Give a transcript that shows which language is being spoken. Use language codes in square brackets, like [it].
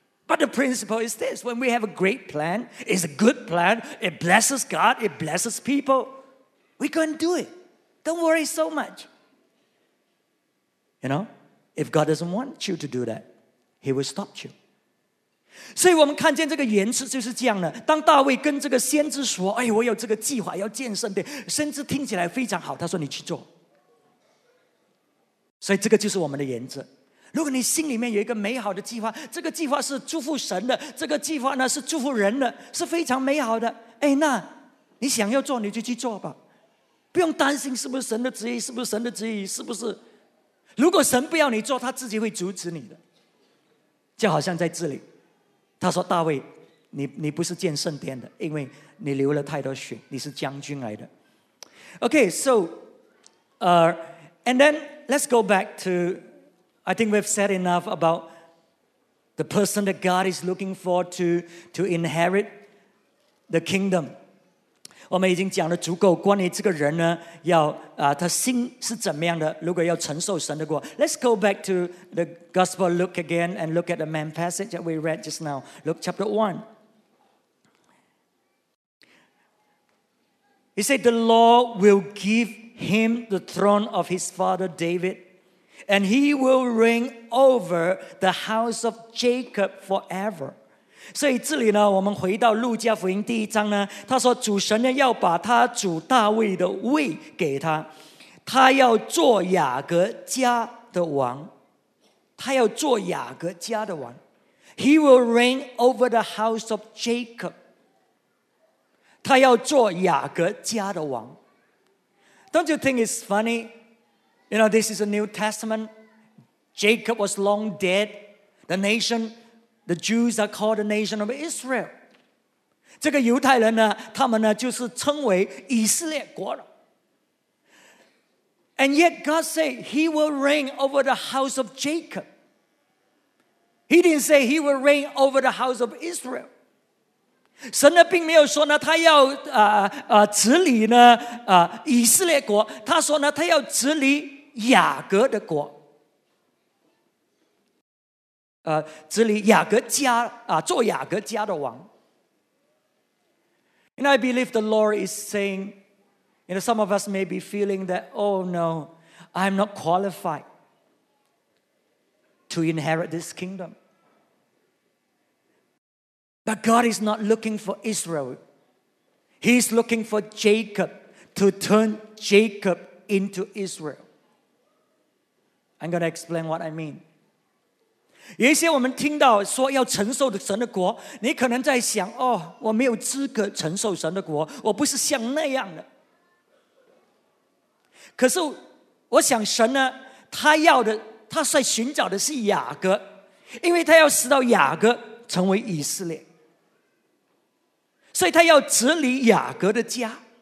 [en] But the principle is this, when we have a great plan, it's a good plan, it blesses God, it blesses people, we can do it. Don't worry so much. You know, if God doesn't want you to do that,He will stop you. [zh] 所以我们看见这个原则就是这样的。当大卫跟这个先知说，哎，我有这个计划要建圣殿，先知听起来非常好，他说你去做。所以这个就是我们的原则。如果你心里面有一个美好的计划，这个计划是祝福神的，这个计划呢是祝福人的，是非常美好的，哎，那你想要做你就去做吧，不用担心是不是神的旨意，是不是神的旨意，是不是，如果神不要你做，他自己会阻止你的。就好像在这里，他说：“大卫，你不是建圣殿的，因为你流了太多血，你是将军来的。” [en] Okay, so, and then let's go back to, I think we've said enough about the person that God is looking for to inherit the kingdom. [zh] 我们已经讲了足够关于这个人呢，要他心是怎么样的，如果要承受神的国。 [en] Let's go back to the Gospel of Luke again and look at the main passage that we read just now. Luke chapter 1. He said, The Lord will give him the throne of his father David, And he will reign over the house of Jacob forever. [zh] 所以这里呢，我们回到路加福音第一章呢，他说主神呢要把他主大卫的位给他，他要做雅各家的王，他要做雅各家的王。 [en] He will reign over the house of Jacob. [zh] 他要做雅各家的王。 [en] Don't you think it's funny? You know, this is a New Testament. Jacob was long dead. The nation, the Jews are called the nation of Israel. [zh] 这个犹太人呢，他们呢就是称为以色列国了。 [en] And yet God said he will reign over the house of Jacob. He didn't say he will reign over the house of Israel. [zh] 神呢并没有说呢他要治理呢以色列国，他说呢他要治理雅各的国，治理雅各家做雅各家的王。 [en] And I believe the Lord is saying, you know, some of us may be feeling that, oh no, I'm not qualified to inherit this kingdom. But God is not looking for Israel. He's looking for Jacob to turn Jacob into Israel. I'm going to explain what I mean. [zh] 有一些我们听到说要承受的神的国，你可能在想，哦，我没有资格承受神的国，我不是像那样的。可是我想神呢，他要的，他在寻找的是雅各，因为他要使到雅各成为以色列，所以他要治理雅各的家。